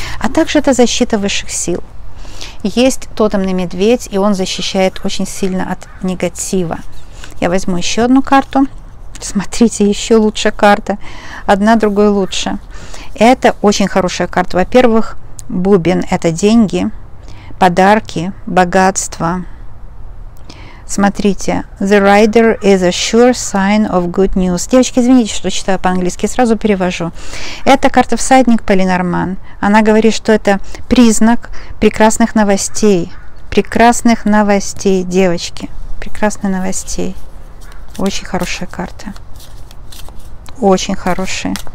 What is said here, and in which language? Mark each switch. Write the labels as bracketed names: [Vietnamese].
[Russian] А также это защита высших сил. Есть тотемный медведь, и он защищает очень сильно от негатива. Я возьму еще одну карту. Смотрите, еще лучше карта. Одна другой лучше. Это очень хорошая карта. Во-первых, бубен – это деньги, подарки, богатство. Смотрите, [English] the rider is a sure sign of good news. [Russian] Девочки, извините, что читаю по-английски, сразу перевожу. Это карта всадник Полинорман. Она говорит, что это признак прекрасных новостей. Прекрасных новостей, девочки. Прекрасных новостей. Очень хорошая карта. Очень хорошая.